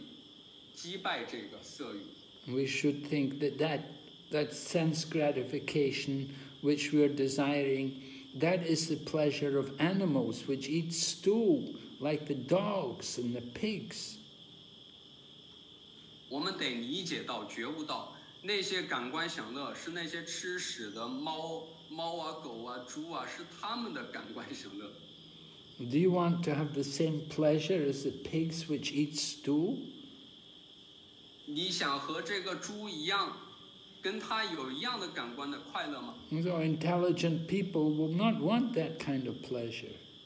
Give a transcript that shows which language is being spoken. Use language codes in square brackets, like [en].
[zh] 另外一个就是牢固的智性可以击败这个色欲。 [en] We should think that sense gratification which we are desiring, that is the pleasure of animals which eat stool like the dogs and the pigs. [zh] 我们得理解到觉悟到 那些感官享乐是那些吃屎的猫啊狗啊猪啊是他们的感官享乐。 [en] Do you want to have the same pleasure as the pigs which eat stool? [zh] 你想和这个猪一样跟它有一样的感官的快乐吗? [en] So intelligent people will not want that kind of pleasure.